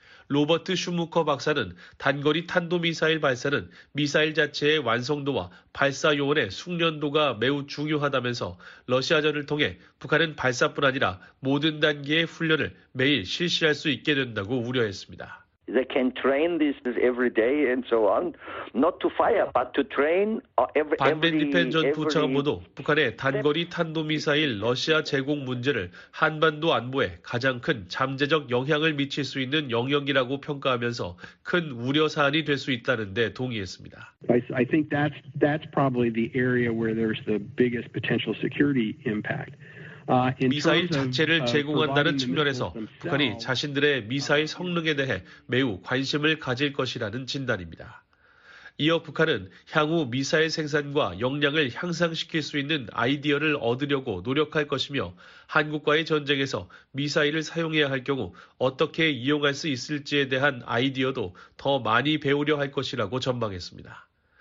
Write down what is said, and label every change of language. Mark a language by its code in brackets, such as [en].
[ko] 로버트 슈무커 박사는 단거리 탄도미사일 발사는 미사일 자체의 완성도와 발사 요원의 숙련도가 매우 중요하다면서 러시아전을 통해 북한은 발사뿐 아니라 모든 단계의 훈련을 매일 실시할 수 있게 된다고 우려했습니다. [en] They can train this every day and so on, not to fire, but to train every. [ko] 반벤디펜 전 부차관 모두 북한의 단거리 탄도미사일 러시아 제공 문제를 한반도 안보에 가장 큰 잠재적 영향을 미칠 수 있는 영역이라고 평가하면서 큰 우려 사안이 될 수 있다는 데 동의했습니다. [en] I think that's probably the area where there's the biggest potential security impact. [ko] 미사일 자체를 제공한다는 측면에서 북한이 자신들의 미사일 성능에 대해 매우 관심을 가질 것이라는 진단입니다. 이어 북한은 향후 미사일 생산과 역량을 향상시킬 수 있는 아이디어를 얻으려고 노력할 것이며 한국과의 전쟁에서 미사일을 사용해야 할 경우 어떻게 이용할 수 있을지에 대한 아이디어도 더 많이 배우려 할 것이라고 전망했습니다.